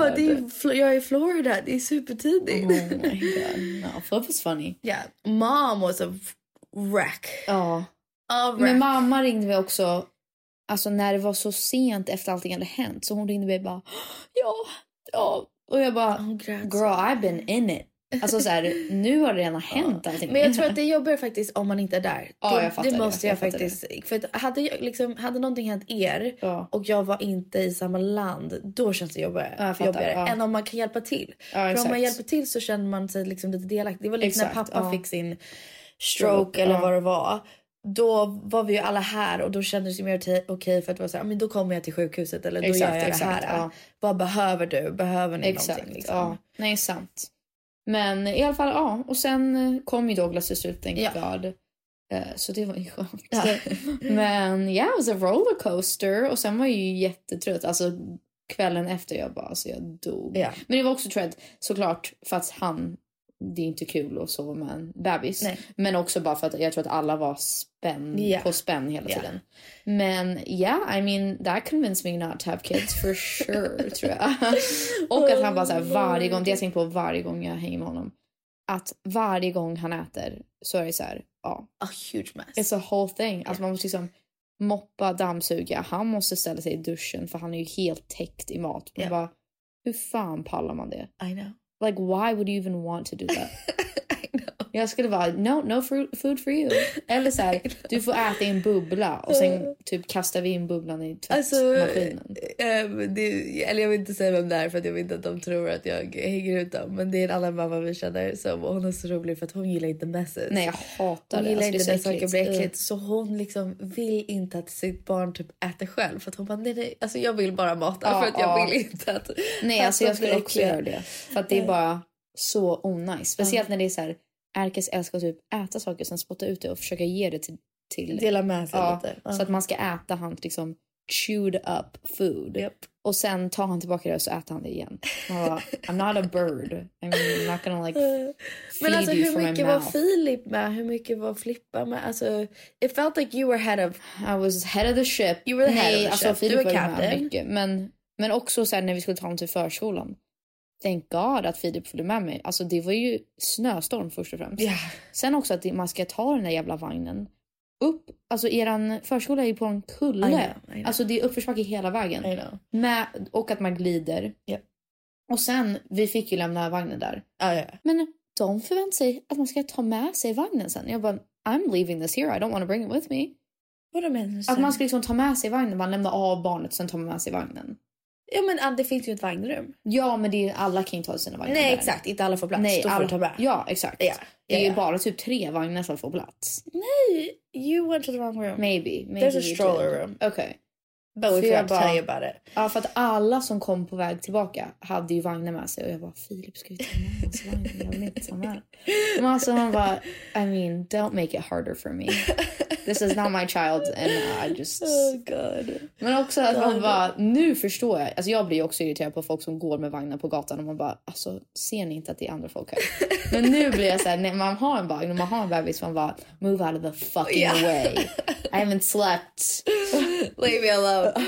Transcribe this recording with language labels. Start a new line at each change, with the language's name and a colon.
Swedish: Bara, jag är i Florida, det är supertidigt.
English: Oh my god, no, that was funny. Yeah, mom was a wreck.
Swedish: Ja.
English: A wreck.
Swedish: Men mamma ringde vi också. Alltså när det var så sent efter allting hade hänt. Så hon ringde mig bara, ja. Och jag bara,
English: girl, I've been in it.
Swedish: Alltså så här, nu har det redan hänt allting. Men jag tror att det jobbar faktiskt om man inte är där. Ja, jag fattar det. Måste jag faktiskt. Det. För att hade, jag, liksom, hade någonting hänt er och jag var inte i samma land, då känns det jobbigare. Ja. Än om man kan hjälpa till. Ja, för om man hjälper till så känner man sig liksom lite delaktig. Det var liksom när pappa fick sin stroke eller vad det var. Då var vi ju alla här och då kändes det mer okej, för att vara så här, men då kommer jag till sjukhuset eller då gör jag det här. Ja. Vad behöver du? Behöver ni exakt, någonting? Liksom? Ja. Nej, sant. Men i alla fall, ja. Och sen kom ju Douglas till slut,
English: thank god.
Swedish: Så det var ju skönt. Ja. Men ja,
English: yeah, it was a rollercoaster.
Swedish: Och sen var jag ju jättetrött. Alltså kvällen efter jag bara, alltså jag dog. Ja. Men det var också trött, såklart, för att han, det är inte kul att sova med en bebis. Nej. Men också bara för att jag tror att alla var på spänn hela tiden.
English: Men yeah, I mean, that convinced me not to have kids for sure,
Swedish: tror jag. Och att han bara såhär varje gång, det jag tänker på varje gång jag hänger med honom, att varje gång han äter så är det såhär,
English: a huge mess. It's a whole thing. Yeah.
Swedish: Alltså man måste liksom moppa, dammsuga, han måste ställa sig i duschen för han är ju helt täckt i mat. Man bara, hur fan pallar man det?
English: I know. Like, why would you even want to do that?
Swedish: Jag skulle vara,
English: no, no food for you.
Swedish: Eller så här, du får äta en bubbla och sen typ kastar vi in bubblan i tvättmaskinen. Alltså, eller jag vill inte säga vem det är för att jag vet inte att de tror att jag hänger ut dem. Men det är en annan mamma vi känner som, och hon är så rolig för att hon gillar inte messes. Nej, jag hatar hon det. Gillar alltså, inte det saker blir äckligt. Så hon liksom vill inte att sitt barn typ äter själv. För att hon bara, nej, nej, alltså jag vill bara mata för att jag vill inte att... Nej, alltså jag skulle också göra det. För att det är bara så onajs. Speciellt när det är så här... Ärkes älskar att typ äta saker och sen spotta ut det och försöka ge det till dela med sig lite. Så att man ska äta han liksom
English: chewed up food.
Swedish: Yep. Och sen tar han tillbaka det och så äter han det igen. Bara,
English: I'm not a bird. I'm not gonna like feed
Swedish: alltså,
English: you from my mouth.
Swedish: Men alltså hur mycket var Filip med? Hur mycket var Flippa med?
English: Alltså, it felt like you were head of... I was head of the ship. You were the head of the ship.
Swedish: Alltså, du var captain. Med mycket. Men också så här, när vi skulle ta honom till förskolan.
English: Thank God
Swedish: att Filip följde med mig. Alltså det var ju snöstorm först och främst.
English: Yeah.
Swedish: Sen också att man ska ta den där jävla vagnen upp. Alltså eran förskola är ju på en kulle.
English: I know, I know.
Swedish: Alltså det är uppförsbacke hela vägen.
English: I know.
Swedish: Med, och att man glider.
English: Yeah.
Swedish: Och sen, vi fick ju lämna vagnen där.
English: Yeah.
Swedish: Men de förväntar sig att man ska ta med sig vagnen sen. Jag bara,
English: I'm leaving this here. I don't want to bring it with me. What a man.
Swedish: Att man ska liksom ta med sig vagnen. Man lämnar av barnet sen tar man med sig vagnen. Ja, men det finns ju ett vagnrum. Ja, men det är, alla kan ju ta sina vagnar. Nej, där. Exakt. Inte alla får plats. Nej, alla får ta med. Ja, exakt.
English: Yeah.
Swedish: Det är ju bara typ tre vagnar som får plats. Nej,
English: you went to the wrong room. Maybe. There's a stroller room. Okay. But we forgot to tell you about it.
Swedish: Ja, för att alla som kom på väg tillbaka hade ju vagnar med sig. Och jag bara, Filip, ska vi ta med oss vagnar? Jag vet inte vad som är. Men alltså, man bara,
English: I mean, don't make it harder for me. This is not my child, and I just... Oh, God.
Swedish: Men också att man bara, nu förstår jag. Alltså, jag blir också irriterad på folk som går med vagnar på gatan. Och man bara, alltså, ser ni inte att det är andra folk här? Men nu blir jag så här, när man har en vagn, när man har en bebis, man bara,
English: move out of the fucking way. I haven't slept. Leave me alone.